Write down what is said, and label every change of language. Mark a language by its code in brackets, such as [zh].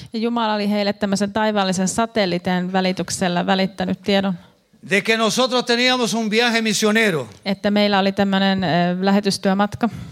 [fi] Ja Jumala oli heille tämmöisen taivaallisen satelliteen välityksellä välittänyt tiedon. [es] De que nosotros teníamos un viaje misionero. [fi] Että meillä oli tämmöinen lähetystyömatka.